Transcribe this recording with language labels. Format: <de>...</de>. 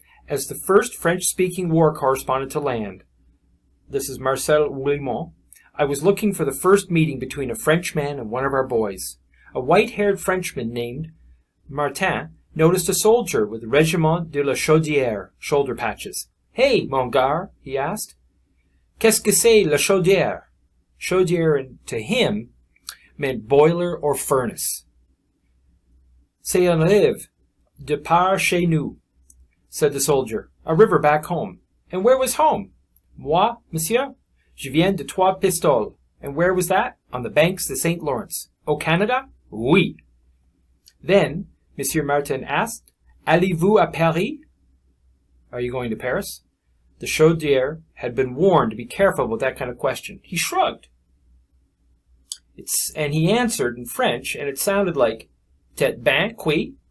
<en>As the first French-speaking war correspondent to land, this is Marcel Roulement, I was looking for the first meeting between a Frenchman and one of our boys. A white-haired Frenchman named Martin noticed a soldier with Regiment de la Chaudière shoulder patches. Hey,</en> <fr>mon gars,</fr> <en>he asked.</en> <fr>Qu'est-ce que c'est la Chaudière?</fr> <en>Chaudière, to him, meant boiler or furnace.</en> <fr>C'est un rêve. De par chez nous,</fr> <en>said the soldier. A river back home. And where was home?</en> <fr>Moi, monsieur, je viens de Trois Pistoles.</fr> <en>And where was that? On the banks of the St. Lawrence.</en> <fr>Au Canada? Oui.</fr> <en>Then, Monsieur Martin asked,</en> <fr>Allez-vous à Paris?</fr> <en>Are you going to Paris? The Chaudière had been warned to be careful with that kind of question. He shrugged. And he answered in French, and it sounded like,</en> <fr>Tête bien, oui.</fr>